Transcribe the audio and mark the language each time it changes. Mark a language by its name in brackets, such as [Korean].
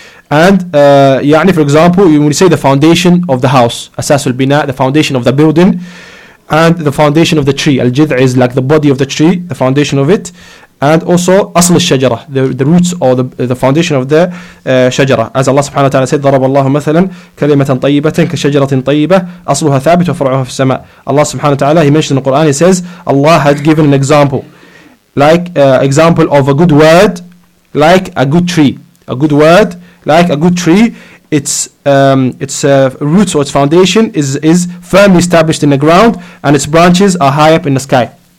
[English] And يعني, for example, when you say the foundation of the house, asasul bina, the foundation of the building, and the foundation of the tree, al jidh is like the body of the tree, the foundation of it, and also asl al-shajara, the roots or the foundation of the shajara. As Allah subhanahu wa ta'ala said, [Arabic] ضرب الله مثلا كلمة طيبة كشجرة طيبة أصلها ثابت وفرعها في السماء. [English] Allah subhanahu wa ta'ala, he mentioned in the Quran, he says, Allah had given an example, example of a good word, like a good tree. A good word, like a good tree, its roots or its foundation is firmly established in the ground, and its branches are high up in the sky.